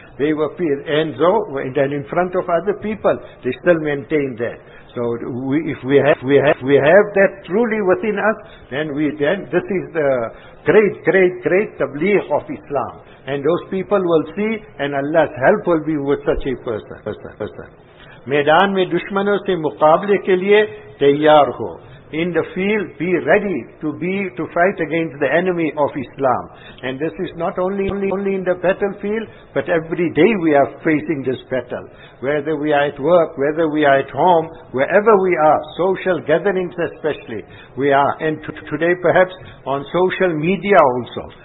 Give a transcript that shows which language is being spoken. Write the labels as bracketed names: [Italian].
[English] They were fear, and so then in front of other people, they still maintain that. So if we have that truly within us, then this is the great tabligh of Islam. And those people will see, and Allah's help will be with such a person. [Urdu] میدان میں دشمنوں سے مقابلے کے لیے تیار ہو. [English] In the field, be ready to fight against the enemy of Islam. And this is not only in the battlefield, but every day we are facing this battle. Whether we are at work, whether we are at home, wherever we are, social gatherings especially, we are, and today perhaps on social media also.